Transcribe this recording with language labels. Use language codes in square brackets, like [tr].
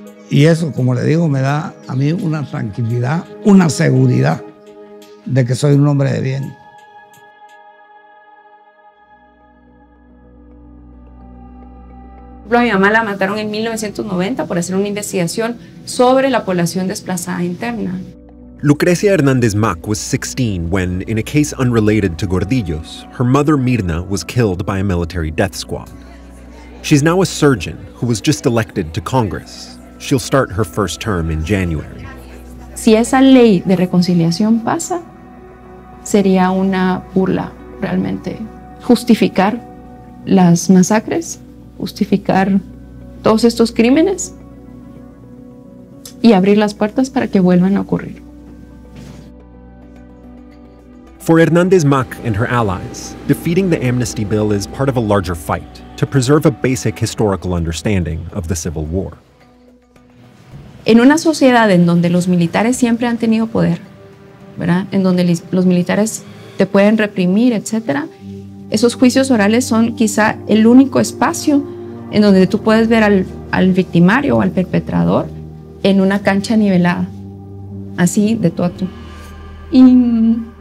[es] Y eso, como le digo, me da a mí una tranquilidad, una seguridad de que soy un hombre de bien. A mi mamá la mataron en 1990 por hacer una investigación sobre la población desplazada interna. [en] Lucrecia Hernández Mack was 16 when, in a case unrelated to Gordillo's, her mother Mirna was killed by a military death squad. She's now a surgeon who was just elected to Congress. She'll start her first term in January. [es] Si esa ley de reconciliación pasa, sería una burla realmente. Justificar las masacres, justificar todos estos crímenes y abrir las puertas para que vuelvan a ocurrir. [en] For Hernández Mack and her allies, defeating the amnesty bill is part of a larger fight to preserve a basic historical understanding of the Civil War. [es] En una sociedad en donde los militares siempre han tenido poder, ¿verdad? En donde los militares te pueden reprimir, etc., esos juicios orales son quizá el único espacio en donde tú puedes ver al victimario o al perpetrador en una cancha nivelada, así de tú a tú. Y